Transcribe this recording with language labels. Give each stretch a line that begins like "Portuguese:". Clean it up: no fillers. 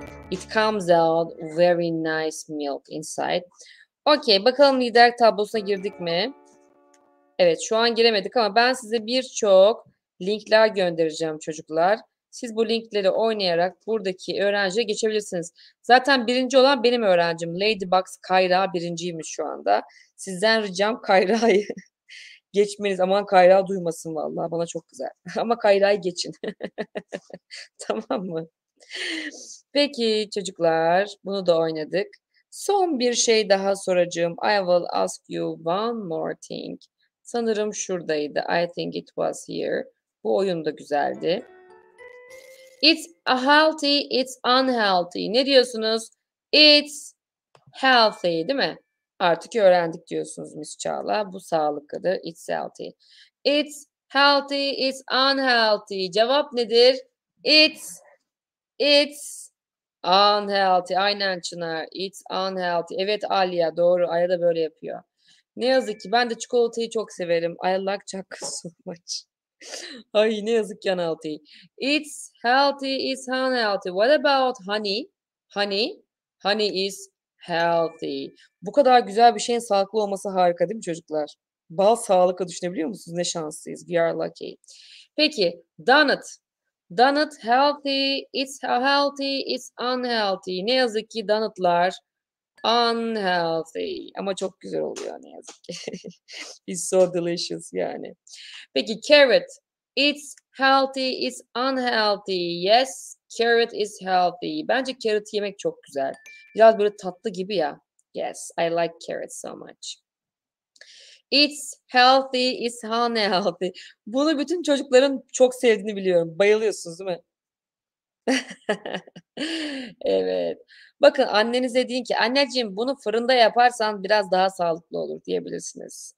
English: It comes out very nice milk inside. Okay.
Turkish: Bakalım lider tablosuna girdik mi? Evet. Şu an giremedik ama ben size birçok linkler göndereceğim çocuklar. Siz bu linkleri oynayarak buradaki öğrenciye geçebilirsiniz. Zaten birinci olan benim öğrencim. Ladybugs Kayra birinciymiş şu anda. Sizden ricam Kayra'yı geçmeniz. Aman Kayra duymasın vallahi. Bana çok güzel. Ama Kayra'yı geçin. Tamam mı? Peki çocuklar. Bunu da oynadık. Son bir şey daha soracağım.
English: I will ask you one more thing.
Turkish: Sanırım şuradaydı.
English: I think it was here.
Turkish: Bu oyun da güzeldi.
English: It's a healthy, it's unhealthy.
Turkish: Ne diyorsunuz?
English: It's healthy,
Turkish: değil mi? Artık öğrendik diyorsunuz Miss Çağla. Bu sağlıklıdı.
English: It's healthy. It's healthy, it's unhealthy.
Turkish: Cevap nedir?
English: It's unhealthy.
Turkish: Aynen Çınar.
English: It's unhealthy.
Turkish: Evet Aliya, doğru. Aya da böyle yapıyor. Ne yazık ki ben de çikolatayı çok severim.
English: I like chocolate so much.
Turkish: Ay ne yazık ki
English: unhealthy. It's healthy, it's unhealthy. What about honey? Honey? Honey is healthy.
Turkish: Bu kadar güzel bir şeyin sağlıklı olması harika değil mi çocuklar? Bal sağlıklı düşünebiliyor musunuz? Ne şanslıyız.
English: We are lucky.
Turkish: Peki, donut.
English: Donut healthy, it's healthy, it's unhealthy.
Turkish: Ne yazık ki donutlar unhealthy. Ama çok güzel oluyor ne yazık ki.
English: It's so delicious
Turkish: yani. Peki
English: carrot. It's healthy, it's unhealthy. Yes, carrot is healthy.
Turkish: Bence carrot yemek çok güzel. Biraz böyle tatlı gibi ya.
English: Yes, I like carrot so much. It's healthy, it's unhealthy.
Turkish: Bunu bütün çocukların çok sevdiğini biliyorum. Bayılıyorsunuz değil mi? Evet. Bakın annenize deyin ki anneciğim bunu fırında yaparsan biraz daha sağlıklı olur diyebilirsiniz.